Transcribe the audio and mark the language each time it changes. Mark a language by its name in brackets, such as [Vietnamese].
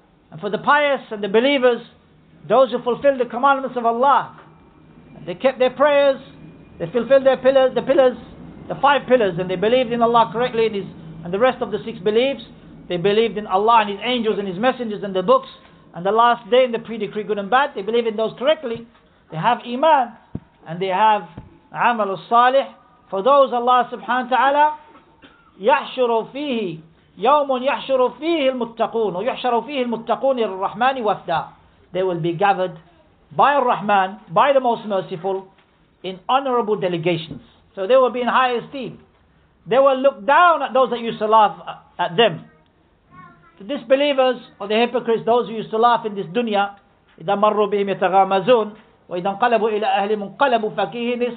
[English] And for the pious and the believers, those who fulfill the commandments of Allah, they kept their prayers, they fulfilled their pillars, the five pillars, and they believed in Allah correctly, and the rest of the six beliefs, they believed in Allah and His angels and His messengers and the books, and the last day and the pre-decree good and bad, they believe in those correctly, they have iman, and they have amal al-salih. For those Allah subhanahu wa ta'ala, [Arabic] يَحْشُرُ فِيهِ يَوْمٌ يَحْشُرُ فِيهِ الْمُتَّقُونَ وَيُحْشَرُ فِيهِ الْمُتَّقُونَ الرَّحْمَنِ وَفْدًا. [English] They will be gathered by Ar-Rahman, by the Most Merciful, in honorable delegations. So they will be in high esteem. They will look down at those that used to laugh at them. The disbelievers or the hypocrites, those who used to laugh in this dunya, [Arabic] إِذَا مَرُّوا بِهِمْ يَتَغَامَزُونَ وَإِذَا انْقَلَبُوا إِلَىٰ أَهْلِهِمْ انْقَلَبُوا فَكِهِينَ.